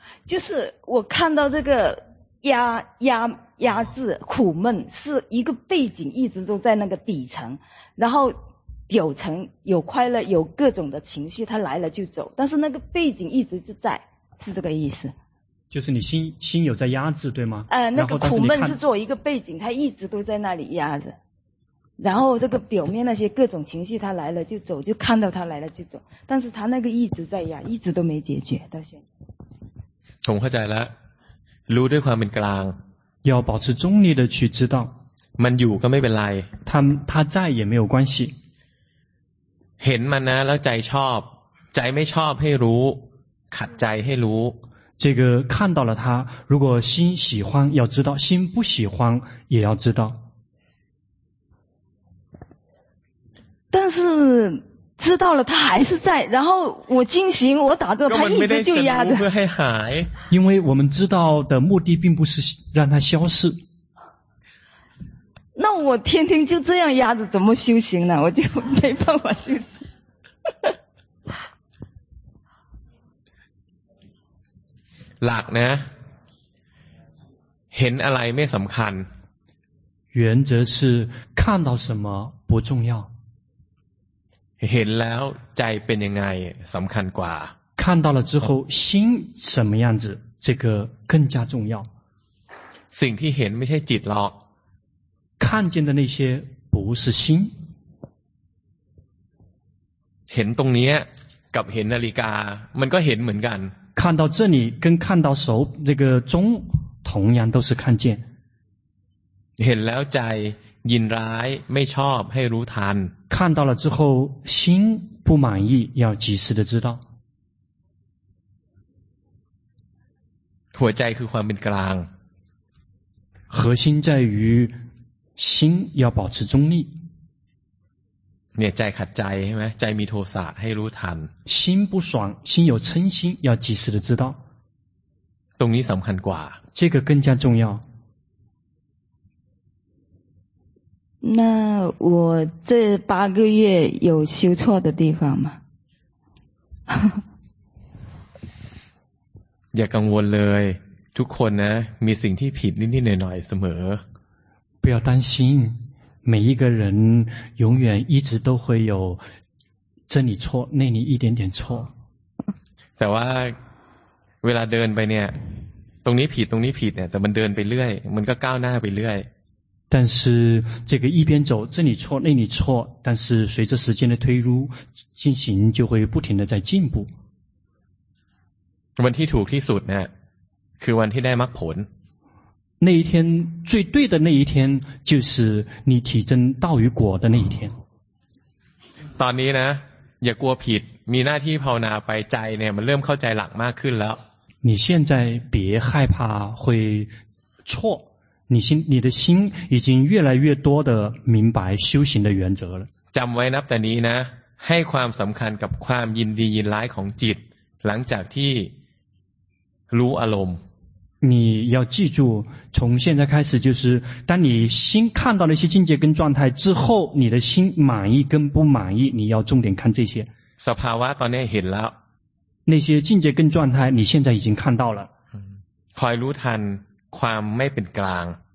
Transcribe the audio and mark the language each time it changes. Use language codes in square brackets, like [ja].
[zh] 就是我看到这个压制苦闷是一个背景一直都在那个底层然后表层有快乐有各种的情绪它来了就走但是那个背景一直是在是这个意思就是你心有在压制对吗那个苦闷是做一个背景它一直都在那里压着然后这个表面那些各种情绪他来了就走，就看到他来了就走，但是他那个一直在压，一直都没解决到现在。懂， [th] เข้าใจแล้ว。รู้ด้วยความเป็นกลาง。 [zh] 要保持中立的去知道。 [th] มันอยู่ก็ไม่เป็นไร。 [zh] 他在也没有关系。 [th] เห็นมันนะแล้วใจชอบ，ใจไม่ชอบให้รู้，ขัดใจให้รู้。 [zh] 这个看到了他，如果心喜欢要知道，心不喜欢也要知道。但是知道了他还是在，然后我进行我打坐，他一直就压着。因为我们知道的目的并不是让他消失。那我天天就这样压着，怎么修行呢？我就没办法修行。 [th] หลักนะเห็นอะไรไม่สำคัญ [zh] 原则是看到什么不重要 [th] เห็นแล้วใจเป็นยังไงสำคัญกว่า [zh] 看到了之后心什么样子这个更加重要 [th] สิ่งที่เห็นไม่ใช่จิตหรอก [zh] 看见的那些不是心 [th] เห็นตรงนี้กับเห็นนาฬิกามันก็เห็นเหมือนกัน [zh] 看到这里跟看到手这个钟同样都是看见 [th] เห็นแล้วใจยินร้ายไม่ชอบให้รู้ทัน [zh] 看到了之后心不满意要及时的知道 [th] หัวใจคือความเป็นกลาง [zh] 核心在于心要保持中立 [th] เนี่ยใจขัดใจใช่ไหมใจมีโทสะให้รู้ทัน [zh] 心不爽心有嗔心要及时的知道 [th] ตรงนี้สำคัญกว่า [zh] 这个更加重要那我这八个月有修错的地方吗 [th] อย่ากังวลเลยทุกคนนะมีสิ่งที่ผิดนิดๆหน่อยๆเสม [zh] อ不要担心每一个人永远一直都会有这里错那里一点点错 [th] แต่ว่าเวลาเดินไปเนี่ยตรงนี้ผิดตรงนี้ผิดเนี่ยแต่มันเดินไปเรื่อยมันก็ก้าวหน้าไปเรื่อย [zh] 但是这个一边走这里错那里错但是随着时间的推入进行就会不停的在进步 [th] วันที่ถูกที่สุดเนี่ยคือวันที่ได้มรรคผล [zh] 那一天最对的那一天就是你体证道与果的那一天 [th] ตอนนี้นะอย่ากลัวผิดมีหน้าที่ภาวนาไปใจเนี่ยมันเริ่มเข้าใจหลักมากขึ้นแล้ว [zh] 你现在别害怕会错你的心已经越来越多的明白修行的原则了 [th] จำไว้นับแต่นี้นะให้ความสำคัญกับความยินดียินร้ายของจิตหลังจากที่รู้อารมณ์ [zh] 你要记住从现在开始就是当你心看到了一些境界跟状态之后你的心满意跟不满意你要重点看这些 [th] สภาวะตอนนี้เห็นแล้ว [zh] 那些境界跟状态你现在已经看到了 [th] คอยรู้ทันความไม่เป็นกลาง